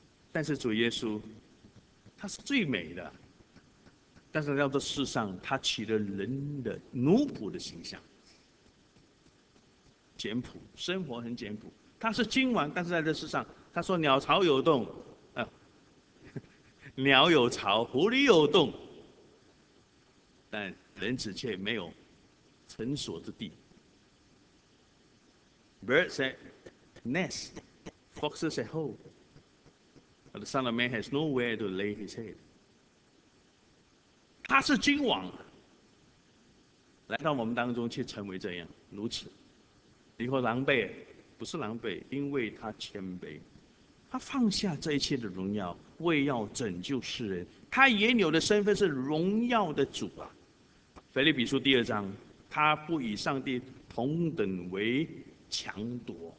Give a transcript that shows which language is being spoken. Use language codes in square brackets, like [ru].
[zh] 但是主耶稣，他是最美的。但是在这世上，他取了人的奴仆的形象，简朴，生活很简朴。他是君王，但是在这世上，他说鸟巢有洞，鸟有巢，狐狸有洞，但人子却没有成所之地。 [en] Birds at nest, foxes at home, but the Son of Man has nowhere to lay his head. [zh] 他是君王，来到我们当中却成为这样如此。你说狼狈，不是狼狈，因为他谦卑，他放下这一切的荣耀，为要拯救世人。他原有的身份是荣耀的主啊。腓立比书第二章，他不与上帝同等为强夺。